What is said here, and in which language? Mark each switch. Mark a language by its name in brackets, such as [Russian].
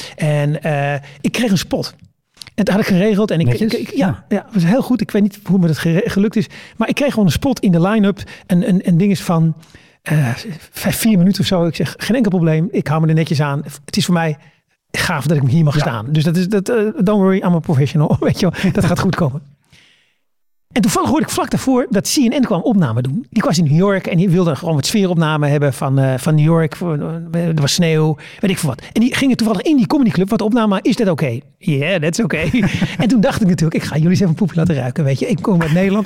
[Dutch] En ik kreeg een spot. En dat had ik geregeld. En ik was heel goed. Ik weet niet hoe me dat gelukt is. Maar ik kreeg gewoon een spot in de line-up. Een ding is van 4 minuten of zo. Ik zeg, geen enkel probleem. Ik hou me er netjes aan. Het is voor mij gaaf dat ik hier mag staan. Dus dat is [English] don't worry, I'm a professional. [Dutch] Weet je wel, dat gaat goed komen. En toevallig hoorde ik vlak daarvoor dat CNN kwam opname doen. Die was in New York en die wilde gewoon wat sfeeropname hebben van New York. Er was sneeuw, weet ik veel wat. En die gingen toevallig in die comedyclub. Wat opname, is dat oké? [English] Yeah, that's [Dutch] oké. En toen dacht ik natuurlijk, ik ga jullie eens even poepje laten ruiken. Weet je, ik kom uit Nederland.